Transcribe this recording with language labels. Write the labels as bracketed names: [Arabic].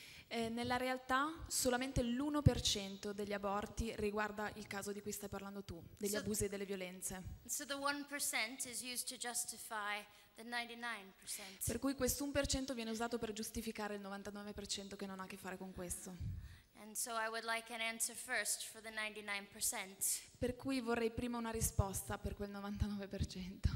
[Italian] Nella realtà solamente l'1% degli aborti riguarda il caso di cui stai parlando tu, degli abusi e delle violenze. [English] So the 1% is used to justify the 99%. [Italian] Per cui questo 1% viene usato per giustificare il 99% che non ha a che fare con questo. [English] And so I would like an answer first for the 99%. [Italian] Per cui vorrei prima una risposta per quel 99%.